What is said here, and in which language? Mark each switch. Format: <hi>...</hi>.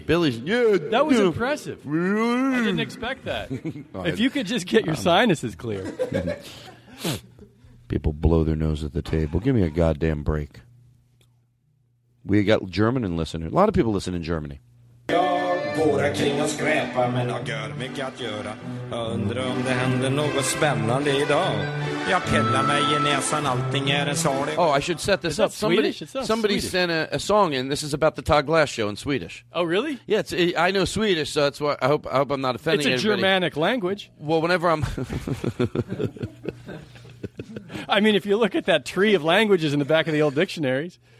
<en>Billy's, that was impressive. I didn't expect that. If you could just get your sinuses clear. People blow their nose at the table. Give me a goddamn break. We got German and listeners. A lot of people listen in Germany.</en> <sv>Går kring och skräpar men jag gör mycket att göra. Jag undrar om det händer något spännande idag. Jag pillar mig i näsan, allting är en salig.</sv> <en>Oh, I should set this up. Somebody sent a song and this is about the Todd Glass show in Swedish. Oh, really? Yeah, I know Swedish, so that's why I hope I'm not offending anybody. It's a Germanic language. Well, whenever I'm... I mean, if you look at that tree of languages in the back of the old dictionaries.</en>